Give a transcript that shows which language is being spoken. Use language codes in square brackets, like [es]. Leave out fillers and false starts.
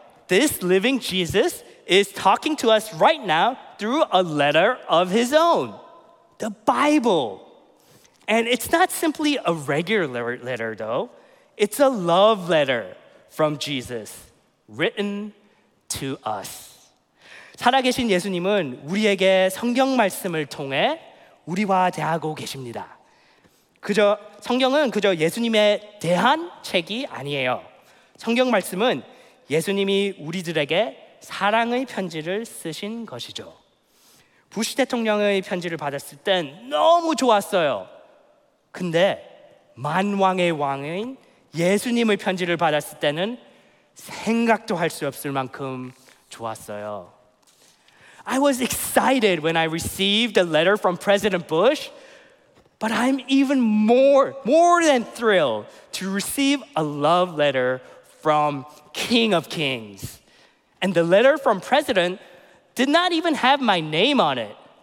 [en] This living Jesus is talking to us right now through a letter of his own, the Bible. And it's not simply a regular letter, though. It's a love letter from Jesus written to us. [ko] 살아계신 예수님은 우리에게 성경 말씀을 통해 우리와 대하고 계십니다. 그저 성경은 그저 예수님에 대한 책이 아니에요. 성경 말씀은 예수님이 우리들에게 사랑의 편지를 쓰신 것이죠. 부시 대통령의 편지를 받았을 땐 너무 좋았어요. 근데 만왕의 왕인 예수님의 편지를 받았을 때는 생각도 할 수 없을 만큼 좋았어요. [en] I was excited when I received a letter from President Bush, but I'm even more than thrilled to receive a love letter from King of Kings. And the letter from President did not even have my name on it.